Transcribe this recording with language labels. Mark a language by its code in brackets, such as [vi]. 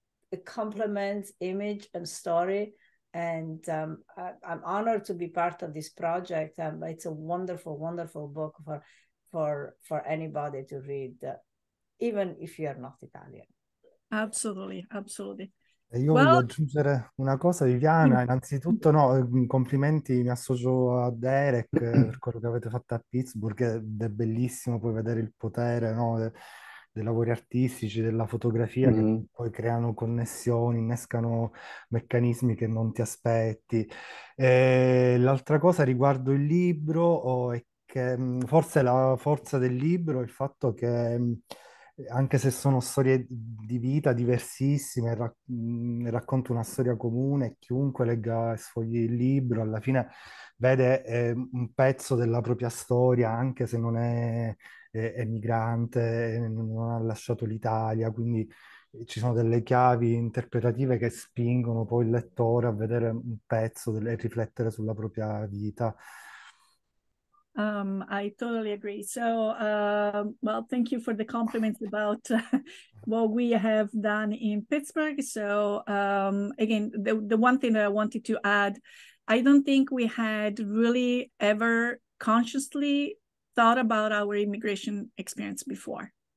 [en] It complements image and story. And I'm honored to be part of this project. It's a wonderful, wonderful book for anybody to read, even if you're not Italian. Absolutely, absolutely. [it] Io [en] Well, [it] voglio aggiungere una cosa, Viviana. Innanzitutto, no, complimenti, mi associo a Derek per quello che avete fatto a Pittsburgh, ed è bellissimo poi vedere il potere, no, dei lavori artistici, della fotografia, che poi creano connessioni, innescano meccanismi che non ti aspetti. L'altra cosa riguardo il libro, è che forse la forza del libro è il fatto che, anche se sono storie di vita diversissime, racconto una storia comune. Chiunque legga e sfogli il libro, alla fine vede un pezzo della propria storia, anche se non è migrante, non ha lasciato l'Italia. Quindi ci sono delle chiavi interpretative che spingono poi il lettore a vedere un pezzo e riflettere sulla propria vita. [en] I totally agree. So, well, thank you for the compliments about what we have done in Pittsburgh. So, again, the one thing that I wanted to add, I don't think we had really ever consciously thought about our immigration experience before.